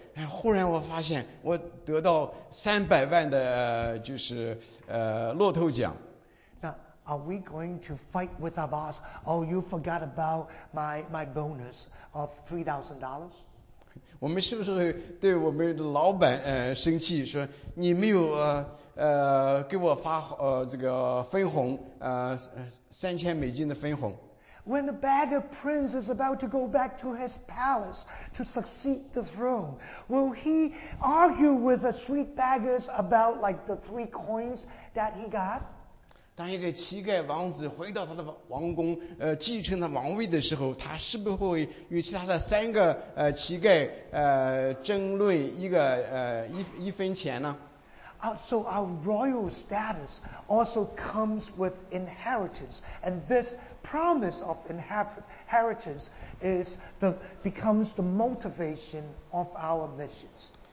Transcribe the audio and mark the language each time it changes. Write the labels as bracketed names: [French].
[Chinese] 哎，忽然我发现我得到300万的就是乐透奖。 [English] Now, are we going to fight with our boss? Oh, you forgot about my bonus of $3,000? [Chinese] 我们是不是会对我们的老板生气，说你没有给我发这个分红$3,000的分红？ [English] When the beggar prince is about to go back to his palace to succeed the throne, will he argue with the street beggars about like the 3 coins that he got? [Chinese] 当一个乞丐王子回到他的王宫，继承他王位的时候，他是不是会与其他的3个乞丐争论一分钱呢？ [English] So our royal status also comes with inheritance, and this promise of inheritance becomes the motivation of our missions.